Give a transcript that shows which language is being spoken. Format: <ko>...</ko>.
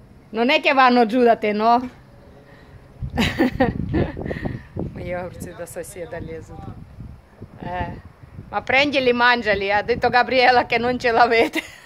<it>Non è che vanno giù da te, no?</it> <ru>Мои огурцы до соседа лезут.</ru> <it>Ma prendili, mangiali, ha detto Gabriella che non ce l'avete.</it>